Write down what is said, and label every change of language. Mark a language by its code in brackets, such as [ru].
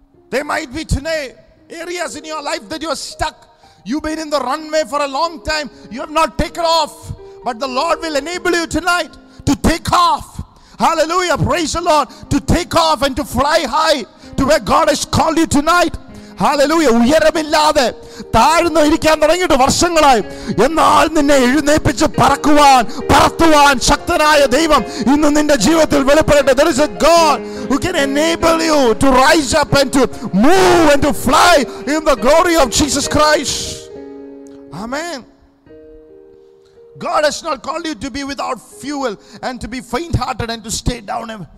[en] There might be today areas in your life that you are stuck. You've been in the runway for a long time. You have not taken off. But the Lord will enable you tonight to take off. Hallelujah. Praise the Lord. To take off and to fly high to where God has called you tonight. Hallelujah. [ml] ഉയരമില്ലാതെ താഴ്ന്നു ഇരിക്കാൻ തുടങ്ങിയിട്ട് വർഷങ്ങളായി. എന്നാൽ നിന്നെ എഴുന്നേപ്പിച്ച് പറക്കുവാൻ പറത്തുവാൻ ശക്തനായ ദൈവം ഇന്ന് നിന്റെ ജീവിതത്തിൽ വെളിപ്പെടട്ടെ. [en] There is a God who can enable you to rise up and to move and to fly in the glory of Jesus Christ. Amen. God has not called you to be without fuel and to be faint-hearted and to stay down.